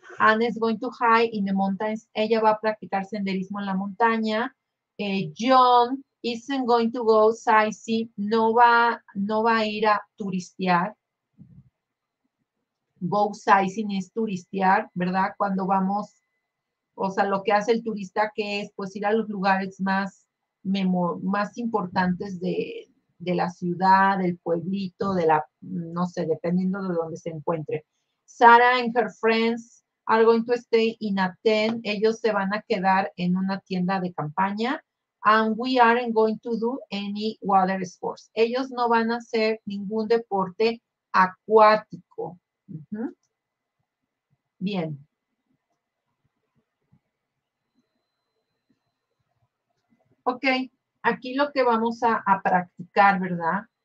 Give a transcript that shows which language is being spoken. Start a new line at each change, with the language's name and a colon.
English: Anne is going to hike in the mountains.
Spanish: Ella va a practicar senderismo en la montaña.
English: John isn't going to go sightseeing.
Spanish: No va a ir a turistear. Go sightseeing es turistear, ¿verdad? Cuando vamos, o sea, lo que hace el turista, que es pues ir a los lugares más importantes de la ciudad, del pueblito, de la, no sé, dependiendo de donde se encuentre.
English: Sarah and her friends are going to stay in a tent.
Spanish: Ellos se van a quedar en una tienda de campaña.
English: And we aren't going to do any water sports.
Spanish: Ellos no van a hacer ningún deporte acuático. Bien. Ok. Aquí lo que vamos a practicar, ¿verdad?